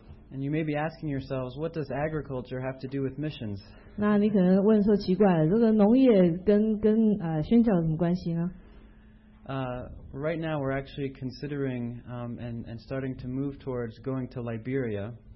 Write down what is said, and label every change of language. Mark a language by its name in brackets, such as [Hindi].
[English] And you may be asking yourselves, what does agriculture have to do with missions? [Chinese] 那你可能问说奇怪了，这个农业跟宣教有什么关系呢？ [English] Right now, we're actually considering and starting to move towards going to Liberia.